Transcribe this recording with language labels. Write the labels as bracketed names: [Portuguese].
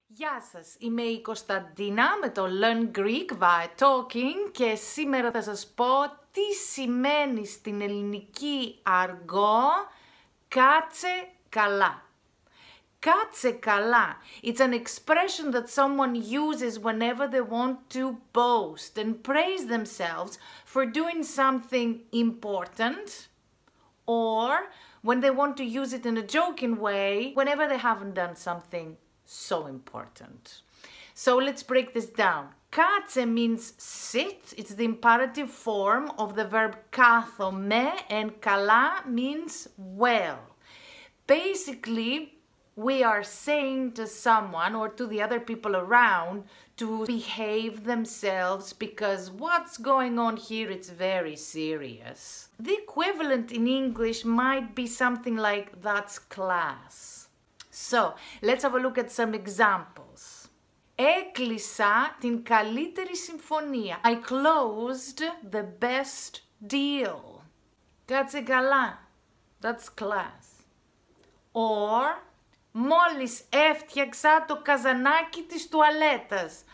[Greek] Γεια σας, είμαι η Κωνσταντίνα με το Learn Greek via Talking και σήμερα θα σας πω τι σημαίνει στην ελληνική αργό «κάτσε καλά». «Κάτσε καλά» [English] It's an expression that someone uses whenever they want to boast and praise themselves for doing something important or when they want to use it in a joking way whenever they haven't done something so important. So let's break this down. Κάτσε means sit. It's the imperative form of the verb κάθω με, and καλά means well. Basically, we are saying to someone or to the other people around to behave themselves because what's going on here, it's very serious. The equivalent in English might be something like that's class. So, let's have a look at some examples. [Greek] Έκλεισα την καλύτερη συμφωνία. [English] I closed the best deal. [Greek] Κάτσε καλά. [English] That's class. Or, [Greek] μόλις έφτιαξα το καζανάκι της τουαλέτας.